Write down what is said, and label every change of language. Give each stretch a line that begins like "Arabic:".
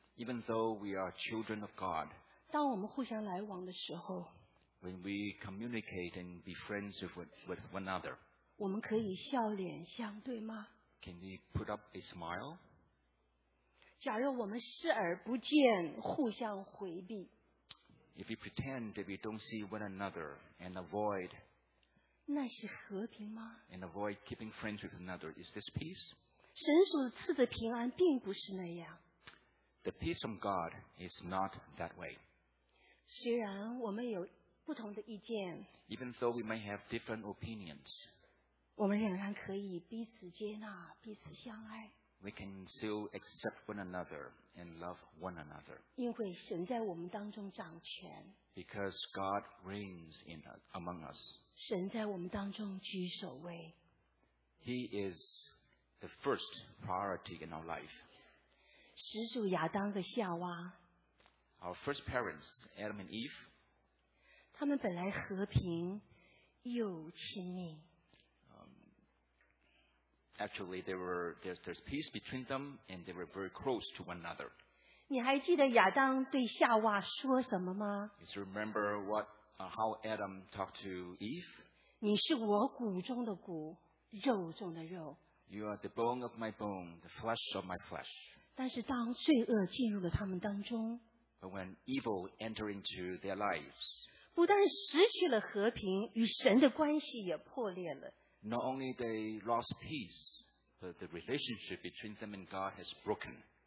English: even though we are children of God.
Chinese: 当我们互相来往的时候,
English: When we communicate and be friends with one another,
Chinese: 我们可以笑脸相对吗？
English: Can we put up a smile?
Chinese: 假如我们视而不见，互相回避。
English: If we pretend that we don't see one another and avoid,
Chinese: 那是和平吗？
English: And avoid keeping friends with another, is this peace?
Chinese: 神所赐的平安并不是那样。
English: The peace from God is not that way.
Chinese: 虽然我们有不同的意见，
English: Even though we may have different opinions,
Chinese: 我们仍然可以彼此接纳，彼此相爱。
English: We can still accept one another and love one another.
Chinese: 因为神在我们当中掌权。
English: Because God reigns in us, among us.
Chinese: 神在我们当中居首位。
English: He is the first priority in our life.
Chinese: 始祖亚当和夏娃。
English: Our first parents, Adam and Eve.
Chinese: 他们本来和平又亲密。
English: Actually, there's peace between them, and they were very close to one another.
Chinese: 你还记得亚当对夏娃说什么吗？
English: Do you remember how Adam talked to Eve?
Chinese: 你是我骨中的骨，肉中的肉。
English: You are the bone of my bone, the flesh of my flesh.
Chinese: 但是当罪恶进入了他们当中，
English: But when evil entered into their lives,
Chinese: 不但失去了和平，与神的关系也破裂了。
English: Not only they lost peace, but the relationship between them and God has broken.